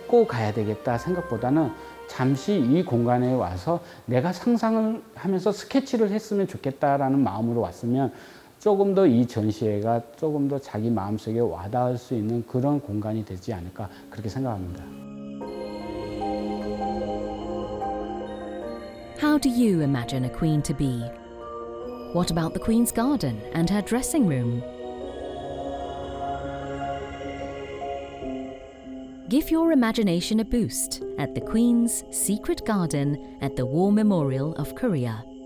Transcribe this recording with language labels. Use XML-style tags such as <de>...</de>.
<en>I think that I would like to come to this space and imagine and sketch it. I would like to come to this space.</en> <ko>조금 더 이 전시회가 조금 더 자기 마음속에 와닿을 수 있는 그런 공간이 되지 않을까 그렇게 생각합니다.</ko> <en>How do you imagine a queen to be? What about the Queen's Garden and her dressing room? Give your imagination a boost at the Queen's Secret Garden at the War Memorial of Korea.</en>